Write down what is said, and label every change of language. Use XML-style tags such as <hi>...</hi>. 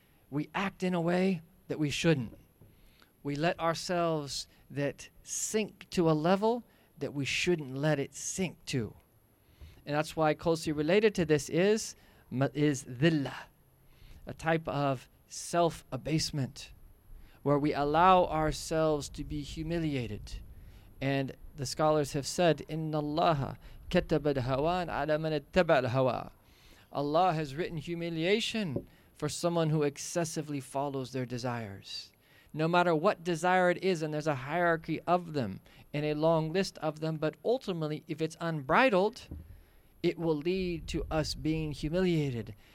<en>We act in a way that we shouldn't. We let ourselves sink to a level that we shouldn't let it sink to. And that's why closely related to this is dhillah, a type of self-abasement where we allow ourselves to be humiliated. And the scholars have said,</en> <ar>إِنَّ اللَّهَ كَتَّبَ الْهَوَانَ عَلَى مَنَ اتَّبَعَ الْهَوَى.</ar> <en>Allah has written humiliation for someone who excessively follows their desires. No matter what desire it is, and there's a hierarchy of them and a long list of them, but ultimately, if it's unbridled, it will lead to us being humiliated.</en>